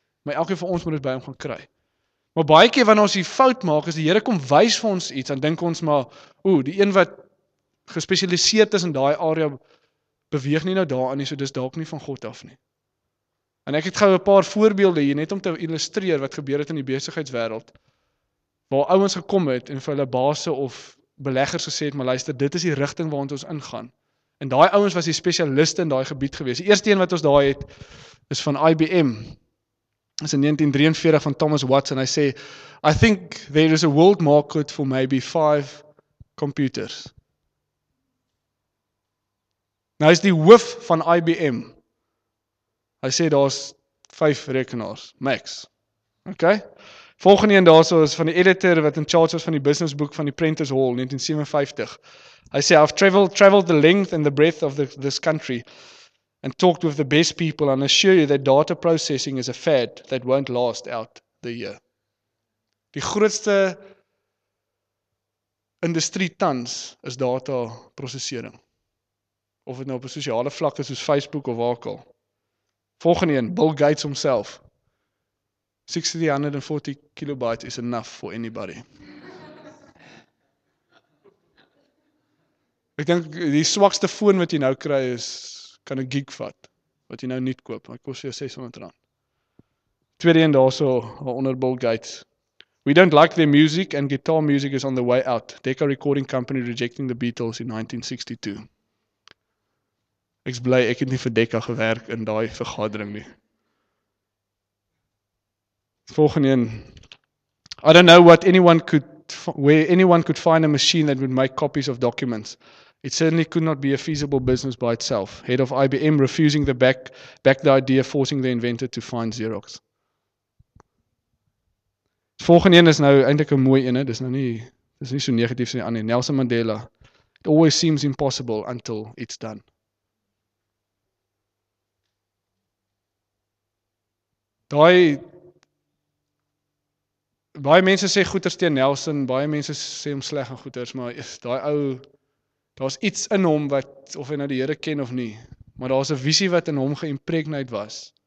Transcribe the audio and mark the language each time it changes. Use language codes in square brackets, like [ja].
[af] Maar elkeen van ons moet dit by hom gaan kry. Maar baie keer wanneer ons die fout maak is die Here kom wys vir ons iets en dink ons maar ooh, die een wat gespesialiseerd is in daai area beweeg nie nou daarin nie, so dis dalk nie van God af nie. En ek het gou 'n paar voorbeelde hier net om te illustreer wat gebeur het in die besigheidswêreld waar ouens gekom het en vir hulle baase of beleggers gesê het, maar luister, dit is die rigting waarna ons ingaan. En daai ouens was die spesialiste in daai gebied gewees. Die eerste een wat ons daai het is van IBM. Dit is in 1943 van Thomas Watson. Hy sê, [en] "I think there is a world market for maybe 5 computers." [af] Nou is die hoof van IBM. Hy sê daar's 5 rekenaars, max. OK? Volgende een daarso is van die editor wat in charge was van die business book van die Prentice Hall 1957. Hy sê [en] I've traveled the length and the breadth of this country and talked with the best people and assure you that data processing is a fad that won't last out the year. [af] Die grootste industrie tans is data prosesering. Of dit nou op 'n sosiale vlak is soos Facebook of waar ook al. Volgende een, Bill Gates homself. [en] 640 kilobytes is enough for anybody. [af] Ek dink die swakste foon wat jy nou kry is kan 'n gig vat wat jy nou nuut koop. Dit kos jou R600. Tweede een daarso onder Bill Gates. [en] We don't like their music and guitar music is on the way out. Decca recording company rejecting the Beatles in 1962. [af] Ek's bly ek het nie vir Decca gewerk in daai vergadering nie. Volgende een. [en] I don't know what anyone could find a machine that would make copies of documents. It certainly could not be a feasible business by itself. Head of IBM refusing back the idea, forcing the inventor to find Xerox. [af] Volgende een is nou eintlik 'n mooi een, dis nie so negatief so die ander. [en] Nelson Mandela. It always seems impossible until it's done. [af] Daai baie mense sê goeters teen Nelson, baie mense sê hom sleg en goeters, maar daai ou, daar's iets in hom wat of hy nou die Here ken of nie, maar daar's 'n visie wat in hom geimpregneit was.